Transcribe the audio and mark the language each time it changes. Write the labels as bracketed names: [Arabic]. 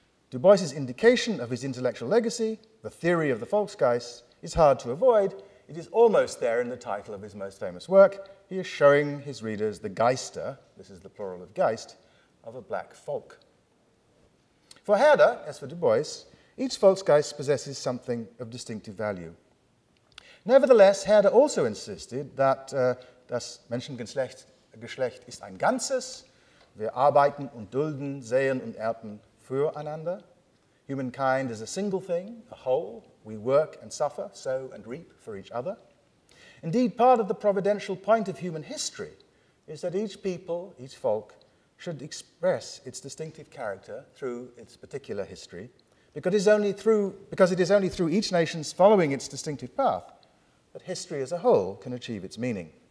[English] DuBois's indication of his intellectual legacy, the theory of the Volksgeist, is hard to avoid. It is almost there in the title of his most famous work. He is showing his readers the Geister, this is the plural of Geist, of a black folk. For Herder, as for DuBois, each Volksgeist possesses something of distinctive value. Nevertheless, Herder also insisted that [German] das Menschengeschlecht ist ein Ganzes, wir arbeiten und dulden, sehen und ernten füreinander. [English] Humankind is a single thing, a whole, we work and suffer, sow and reap for each other. Indeed, part of the providential point of human history is that each people, each folk, should express its distinctive character through its particular history, because it is only through each nation's following its distinctive path that history as a whole can achieve its meaning.